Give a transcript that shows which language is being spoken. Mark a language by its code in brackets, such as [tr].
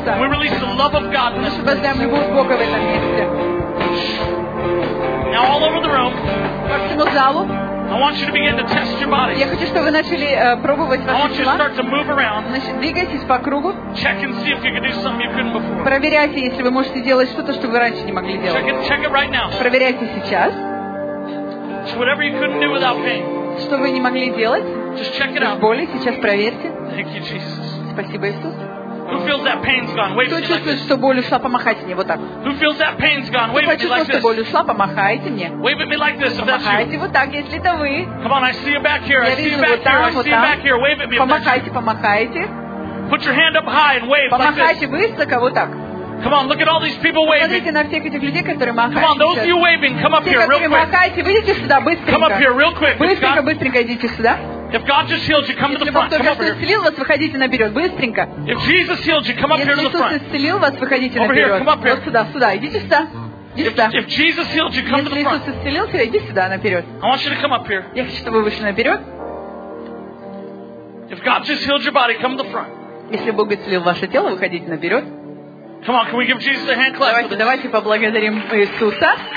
[en] We release the love of God in this place. Now all over the room. I want you to begin to test your body. I want you to start to move around. [ru] Двигайтесь по кругу. [en] Check and see if you can do something you couldn't before. [ru] Проверяйте, если вы можете делать что-то, что вы раньше не могли делать. [en] Check it right now. [ru] Проверяйте сейчас. [en] So whatever you couldn't do without pain. [ru] Что вы не могли делать? [en] Just check it out. [ru] Боли сейчас проверьте. [en] Thank you, Jesus. [ru] Спасибо, Иисус. [en] Who feels that pain's gone? Wave. [ru] Кто чувствует, что боль ушла, помахайте мне вот так. [en] Who feels that pain's gone? Wave. [ru] Кто чувствует, что боль ушла, помахайте мне. [en] Wave at me like this. [ru] Помахайте вот так, если это вы. [en] Come on, I see you back here. I see you back here. I see you back here. Wave at me. [ru] Помахайте, помахайте. [en] Put your hand up high and wave. [ru] Помахайте высоко вот так. [en] Come on, look at all these people waving. [ru] Посмотрите на всех этих людей, которые махают. [en] Come on, those of you waving, come up here real quick. [ru] Все, которые махаете, выйдите сюда быстренько. [en] Come up here real quick. [ru] Быстренько, быстренько идите сюда. [en] If God just healed you, come to the front. Come over here. [ru] Если Бог исцелил вас, выходите наперед, быстренько. [en] If Jesus healed you, come up here to the front. [ru] Если Иисус исцелил вас, выходите наперед. [en] Over here, come up here. [ru] Вот сюда, сюда, идите сюда. [en] If Jesus healed you, come to the front. [ru] Если Иисус исцелил тебя, иди сюда наперед. [en] I want you to come up here. [ru] Я хочу, чтобы вы вышли наперед. [en] If God just healed your body, come to the front. [ru] Если Бог исцелил ваше тело, выходите наперед. [en] Come on, can we give Jesus a hand clap? [ru] Давайте, давайте поблагодарим Иисуса.